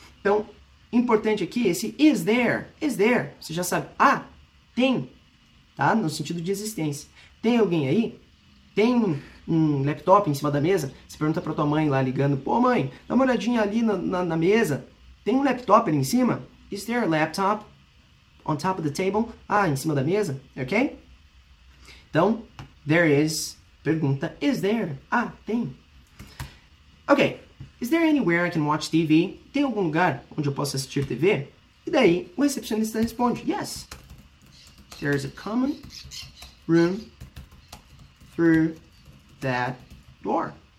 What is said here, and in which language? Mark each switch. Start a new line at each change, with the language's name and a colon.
Portuguese: Então, importante aqui, esse is there. Is there. Você já sabe. Tem. Tá? No sentido de existência. Tem alguém aí? Tem um laptop em cima da mesa? Você pergunta pra tua mãe lá ligando. Pô, mãe, dá uma olhadinha ali na mesa. Tem um laptop ali em cima?
English: Is there a laptop on top of the table?
Portuguese: Em cima da mesa? Ok? Então, there is. Pergunta, is there? Tem. Ok.
English: Is there anywhere I can watch TV?
Portuguese: Tem algum lugar onde eu posso assistir TV? E daí, o recepcionista responde, yes.
English: There is a common room through that door.